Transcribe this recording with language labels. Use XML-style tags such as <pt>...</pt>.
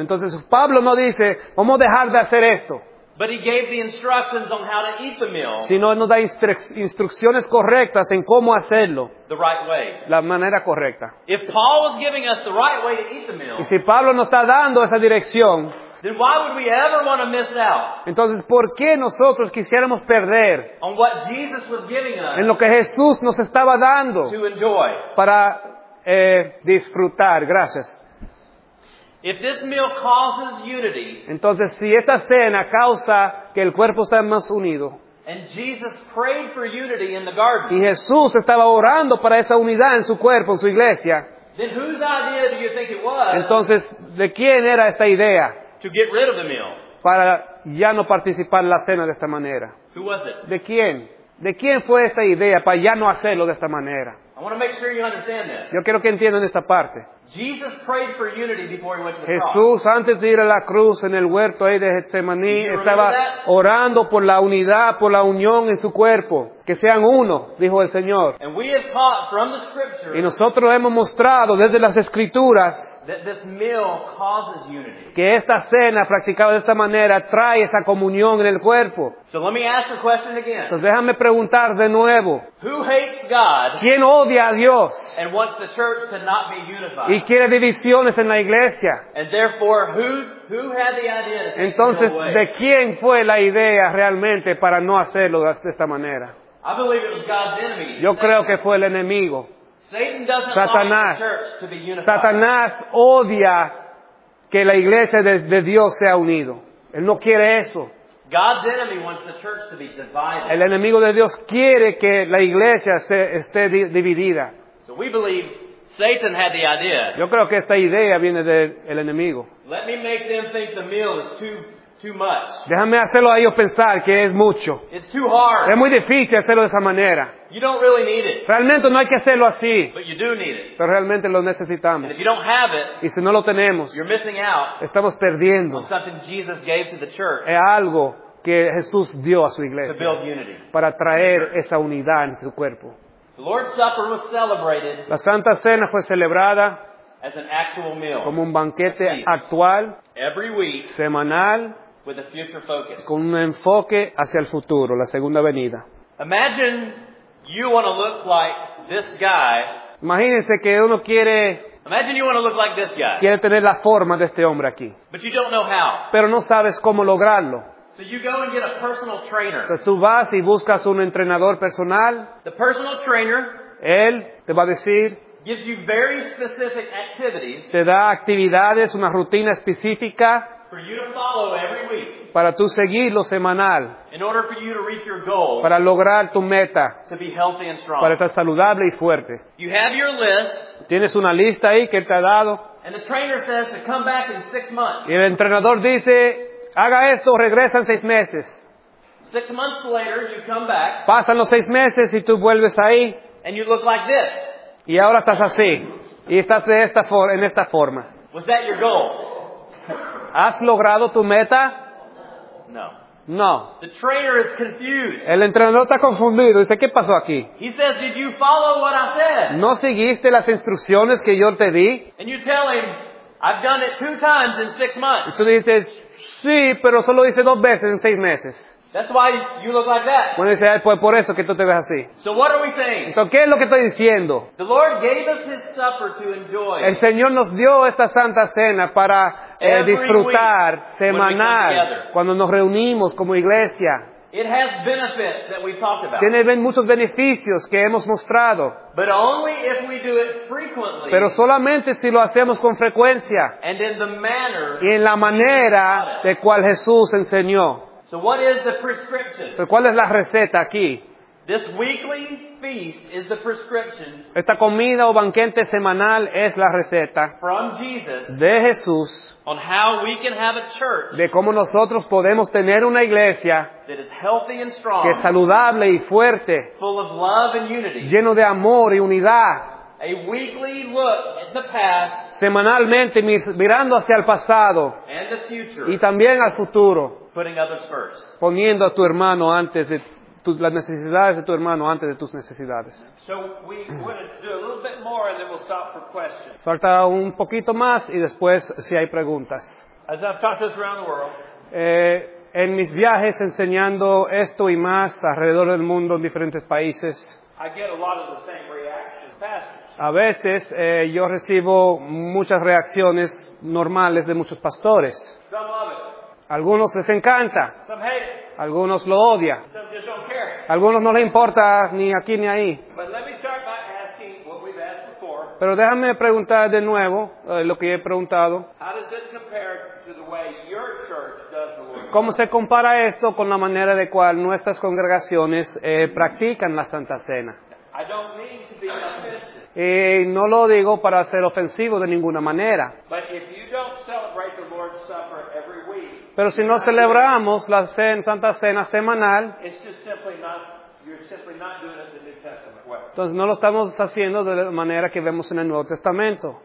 <es>Entonces Pablo no dice, vamos a dejar de hacer esto.</es> <en>But he gave the instructions on how to eat the meal.</en> <es>Sino nos da instrucciones correctas en cómo hacerlo.</es> <en>The right way.</en> <es>La manera correcta.</es> <en>If Paul was giving us the right way to eat the meal.</en> <es>Y si Pablo nos está dando esa dirección.</es> <en>Then why would we ever want to miss out?</en> <es>Entonces, ¿por qué nosotros quisiéramos perder</es> <en>on what Jesus was giving us</en> <es>en lo que Jesús nos estaba dando</es> <en>to enjoy?</en> <es>Para disfrutar. Gracias.</es> <en>If this meal causes unity,</en> <es>entonces, si esta cena causa que el cuerpo está más unido,</es> <en>and Jesus prayed for unity in the garden,</en> <es>y Jesús estaba orando para esa unidad en su cuerpo, en su iglesia,</es> <en>then whose idea do you think it was?</en> <es>Entonces, ¿de quién era esta idea?</es> <en>To get rid of the meal.</en> <es>Para ya no participar en la cena de esta manera. Who was it? ¿De quién? ¿De quién fue esta idea para ya no hacerlo de esta manera?</es> <en>I want to make sure you understand this.</en> <es>Yo quiero que entiendan esta parte.</es> <en>Jesus prayed for unity before he went to the</en> <es>Jesús,</es> <en>cross.</en> <es>Antes de ir a la cruz en el huerto ahí de Getsemaní, estaba orando por la unidad, por la unión en su cuerpo. Que sean uno, dijo el Señor.</es> <en>And we have taught from the scriptures,</en> <es>y nosotros hemos mostrado desde las Escrituras</es> <en>that this meal causes unity.</en> <es>Que esta cena practicada de esta manera trae esa comunión en el cuerpo.</es> <en>So let me ask the question again.</en> <es>Entonces déjame preguntar de nuevo.</es> <en>Who hates God?</en> <es>¿Quién odia a Dios?</es> <en>And wants the church to not be unified.</en> <es>Y quiere divisiones en la iglesia.</es> <en>And therefore, who had the idea to</en> <es>entonces,</es> <en>take it away?</en> <es>¿De quién fue la idea realmente para no hacerlo de esta manera?</es> <en>I believe it was God's enemy.</en> <es>Yo creo que fue el enemigo.</es> <en>Satan doesn't Satanás. Like the church to be unified.</en> <es>Satanás odia que la iglesia de Dios sea unido. Él no quiere eso.</es> <en>God's enemy wants the church to be divided.</en> <es>El enemigo de Dios quiere que la iglesia esté dividida.</es> <en>So we believe Satan had the idea.</en> <es>Yo creo que esta idea viene del enemigo.</es> <en>Let me make them think the meal is too much.</en> <es>Déjame hacerlo a ellos pensar que es mucho.</es> <en>It's too hard.</en> <es>Es muy difícil hacerlo de esa manera.</es> <en>You don't really need it.</en> <es>Realmente no hay que hacerlo así.</es> <en>But you do need it.</en> <es>Pero realmente lo necesitamos.</es> <en>And if you don't have it,</en> <es>y si no lo tenemos,</es> <en>you're missing out.</en> <es>Estamos perdiendo.</es> <en>On something Jesus gave to the church.</en> <es>Es algo que Jesús dio a su iglesia.</es> <en>To build unity.</en> <es>Para traer esa unidad en su cuerpo.</es> <en>The Lord's Supper was celebrated.</en> <es>La Santa Cena fue celebrada.</es> <en>As an actual meal.</en> <es>Como un banquete actual.</es> <en>Every week.</en> <es>Semanal.</es> <en>With a future focus.</en> <es>Con un enfoque hacia el futuro, la segunda venida.</es> <en>Imagine you want to look like this guy.</en> <es>Imagínense que uno quiere.</es> <en>Imagine you want to look like this guy.</en> <es>Quiere tener la forma de este hombre aquí.</es> <en>But you don't know how.</en> <es>Pero no sabes cómo lograrlo.</es> <en>So you go and get a personal trainer.</en> <es>Entonces tú vas y buscas un entrenador personal.</es> <en>The personal trainer.</en> <es>Él te va a decir.</es> <en>Gives you very specific activities.</en> <es>Te da actividades, una rutina específica.</es> <en>For you to follow every week.</en> <es>Para tú seguirlo semanal.</es> <en>In order for you to reach your goal.</en> <es>Para lograr tu meta.</es> <en>To be healthy and strong.</en> <es>Para estar saludable y fuerte.</es> <en>You have your list.</en> <es>Tienes una lista ahí que él te ha dado.</es> <en>And the trainer says to come back in 6 months.</en> <es>Y el entrenador dice, haga esto, regresa en 6 meses.</es> <en>6 months later, you come back.</en> <es>Pasan los 6 meses y tú vuelves ahí.</es> <en>And you look like this.</en> <es>Y ahora estás así. Y estás de esta en esta forma.</es> <en>Was that your goal?</en> <es>¿Has logrado tu meta?</es> <en>No.</en> <es>No.</es> <en>The trainer is confused.</en> <es>El entrenador está confundido. Dice, ¿qué pasó aquí?</es> <en>He says, did you follow what I said?</en> <es>¿No seguiste las instrucciones que yo te di?</es> <en>And you tell him, I've done it 2 times in 6 months.</en> <es>Y tú dices, sí, pero solo hice 2 veces en 6 meses.</es> <en>That's why you look like that.</en> <es>Bueno, dice, pues por eso que tú te ves así.</es> <en>So what are we saying?</en> <es>Entonces, ¿qué es lo que estoy diciendo?</es> <en>The Lord gave us His supper to enjoy.</en> <es>El Señor nos dio esta santa cena para disfrutar semanal cuando nos reunimos como iglesia.</es> <en>It has benefits that we've talked about.</en> <es>Tiene muchos beneficios que hemos mostrado.</es> <en>But only if we do it frequently.</en> <es>Pero solamente si lo hacemos con frecuencia.</es> <en>And in the manner.</en> <es>Y en la manera de cual Jesús enseñó.</es> <en>So what is the prescription?</en> <es>So ¿cuál es la receta aquí?</es> <en>This weekly feast is the prescription.</en> <es>Esta comida o banquete semanal es la receta.</es> <en>From Jesus.</en> <es>De Jesús.</es> <en>On how we can have a church.</en> <es>De cómo nosotros podemos tener una iglesia.</es> <en>That is healthy and strong.</en> <es>Que es saludable y fuerte.</es> <en>Full of love and unity.</en> <es>Lleno de amor y unidad.</es> <en>A weekly look at the past,</en> <es>semanalmente mirando hacia el pasado</es> <en>and the future,</en> <es>y también al futuro,</es> <en>putting others first.</en> <es>Poniendo a tu hermano antes de las necesidades de tu hermano antes de tus necesidades.</es> <en>So we wanted to do a little bit more and then we'll stop for questions.</en> <es>Falta un poquito más y después si hay preguntas.</es> <en>As I've taught this around the world,</en> <es>en mis viajes enseñando esto y más alrededor del mundo en diferentes países,</es> <en>I get a lot of the same reactions, pastors.</en> <es>A veces yo recibo muchas reacciones normales de muchos pastores.</es> <en>Some love it.</en> <es>Algunos les encanta.</es> <en>Some hate it.</en> <es>Algunos lo odia.</es> <en>Some just don't care.</en> <es>Algunos no les importa ni aquí ni ahí.</es> <en>But let me start by asking what we've asked before.</en> <es>Pero déjame preguntar de nuevo lo que he preguntado.</es> <en>How does it compare to the way your church does the Lord's Supper?</en> <es>¿Cómo se compara esto con la manera de cual nuestras congregaciones practican la Santa Cena?</es> <en>I don't mean to be offensive.</en> <es>Y no lo digo para ser ofensivo de ninguna manera.</es> <en>But if you don't celebrate the Lord's Supper every week,</en> <es>pero si no celebramos la Santa Cena semanal, entonces no lo estamos haciendo de la manera que vemos en el Nuevo Testamento.</es>